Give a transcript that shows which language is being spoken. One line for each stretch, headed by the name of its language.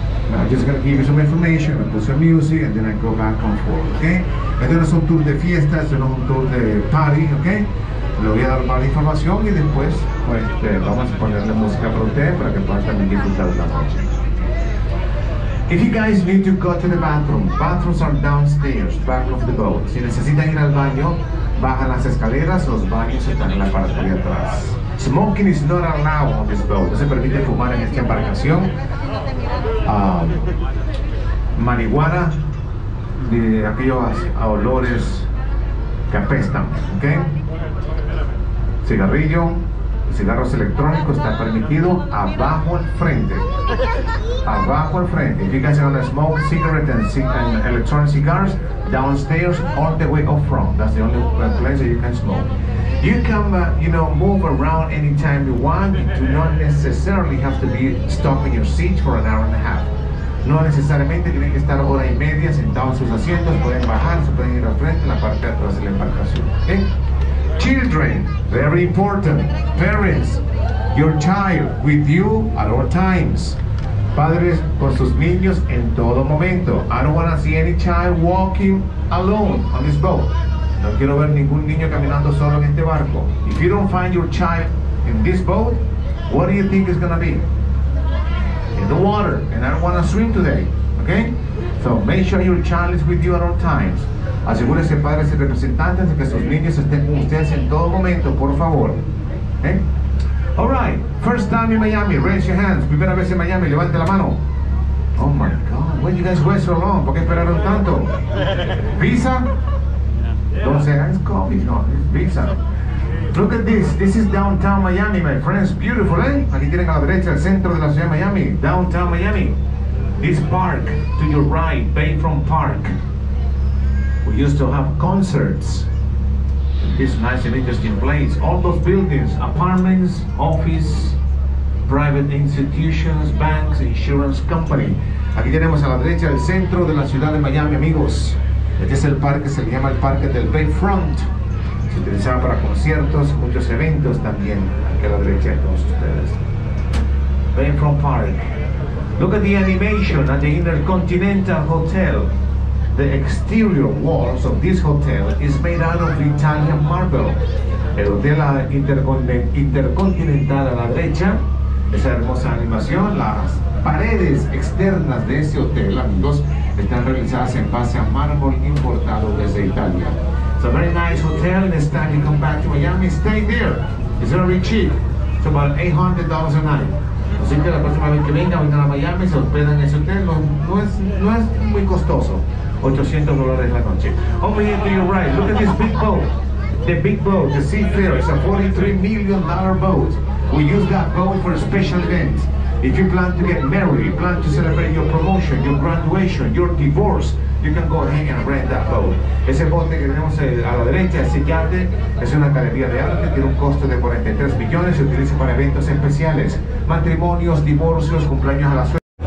English: Now, I'm just gonna give you some information, I'm gonna put some music, and then I go back on forward, okay?
Spanish: Este no es un tour de fiesta, este no es un tour de party, okay? Le voy a dar más información y después, pues, vamos a ponerle música para ustedes para que puedan también disfrutar de la noche.
English: If you guys need to go to the bathroom, bathrooms are downstairs, back of the boat.
Spanish: Si necesitan ir al baño, bajan las escaleras, los baños están en la parte de atrás.
English: Smoking is not allowed on this boat.
Spanish: No se permite fumar en esta embarcación. Marihuana, de aquellos olores que apestan, ¿ok? Cigarrillo, cigarros electrónicos está permitido abajo al frente. Abajo al frente.
English: If you guys are going to smoke cigarettes and electronic cigars, downstairs or the way up front. That's the only place that you can smoke. You can, move around anytime you want. You do not necessarily have to be stuck in your seat for an hour and a half.
Spanish: No necesariamente tienen que estar hora y media sentado en sus asientos. Pueden bajar, se pueden ir al frente, en la parte de atrás de la embarcación.
English: Okay? Children, very important. Parents, your child with you at all times.
Spanish: Padres con sus niños en todo momento.
English: I don't want to see any child walking alone on this boat.
Spanish: No quiero ver ningún niño caminando solo en este barco.
English: If you don't find your child in this boat, what do you think is going to be? In the water. And I don't want to swim today. Okay? So make sure your child is with you at all times.
Spanish: Asegúrese, padres y representantes, de que sus niños estén con ustedes en todo momento, por favor.
English: Okay? All right. First time in Miami. Raise your hands.
Spanish: Primera vez en Miami. Levante la mano.
English: Oh, my God. Why you guys wait so long?
Spanish: ¿Por qué esperaron tanto?
English: Visa. Don't say it's COVID, no, it's visa. Look at this, this is downtown Miami, my friends, beautiful, eh?
Spanish: Aquí tienen a la derecha el centro de la ciudad de Miami, downtown Miami.
English: This park, to your right, Bayfront Park. We used to have concerts. This nice and interesting place. All those buildings, apartments, office, private institutions, banks, insurance company.
Spanish: Aquí tenemos a la derecha el centro de la ciudad de Miami, amigos. Este es el parque, se llama el parque del Bayfront. Se utilizaba para conciertos, muchos eventos también. Aquí a la derecha de todos ustedes.
English: Bayfront Park. Look at the animation at the Intercontinental Hotel. The exterior walls of this hotel is made out of Italian marble.
Spanish: El hotel Intercontinental a la derecha. Esa hermosa animación. Las paredes externas de ese hotel, amigos, están realizadas en base a mármol importado desde Italia.
English: It's a very nice hotel. Next time you come back to Miami, stay there. It's very cheap. It's about $800 a night.
Spanish: Así que la próxima vez que venga, vengan a Miami, se hospedan en ese hotel. No es muy costoso. $800 la noche.
English: Over here to your right, look at this big boat. The big boat, the Seafarer, is a $43 million boat. We use that boat for special events. If you plan to get married, plan to celebrate your promotion, your graduation, your divorce, you can go ahead and rent that boat.
Spanish: Ese bote que tenemos a la derecha, ese yate, es una galería de arte, tiene un costo de 43 millones, se utiliza para eventos especiales, matrimonios, divorcios, cumpleaños a la suerte.